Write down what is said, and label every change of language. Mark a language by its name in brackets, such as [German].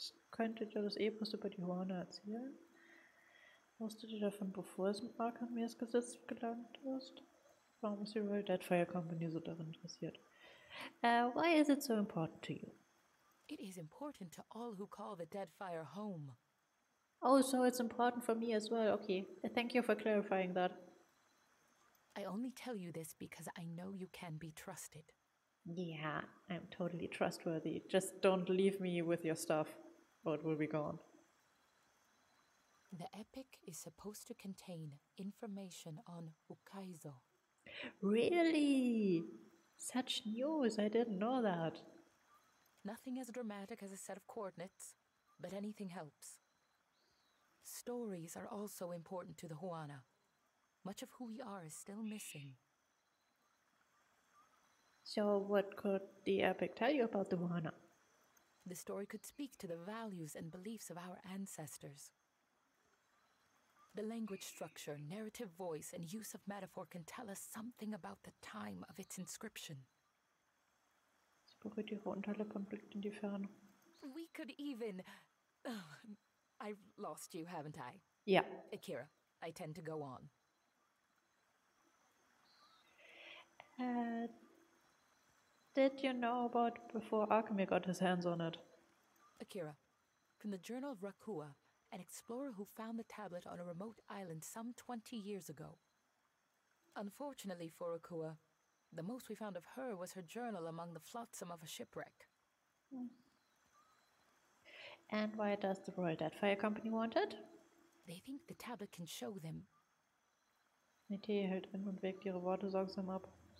[German] Könntet ihr das Epos über die Huana erzählen? Wusstet ihr davon, bevor es mit Arkemyrs Gesetz gelangt ist? Warum ist die Royal Deadfire Company so daran interessiert? [English] Why is it so important to you? It is important to all who call the Deadfire home. Oh, so it's important for me as well. Okay, thank you for clarifying that. I only tell you this because I know you can be trusted. Yeah, I'm totally trustworthy. Just don't leave me with your stuff, or it will be gone. The epic is supposed to contain information on Ukaizo. Really? Such news, I didn't know that. Nothing as dramatic as a set of coordinates, but anything helps. Stories are also important to the Huana. Much of who we are is still missing. So what could the epic tell you about the Wana? The story could speak to the values and beliefs of our ancestors. The language structure, narrative voice, and use of metaphor can tell us something about the time of its inscription. [German] Sie berührt ihre Unterlippe und blickt in die Ferne. [English] We could even... I've lost you, haven't I? Yeah. Akira, I tend to go on. Did you know about before Arkemyr got his hands on it? Akira, from the journal of Rakua, an explorer who found the tablet on a remote island some 20 years ago. Unfortunately for Rakua, the most we found of her was her journal among the flotsam of a shipwreck. And why does the Royal Deadfire Company want it? They think the tablet can show them. [German] Netehe hält an und wägt ihre Worte sorgsam ab.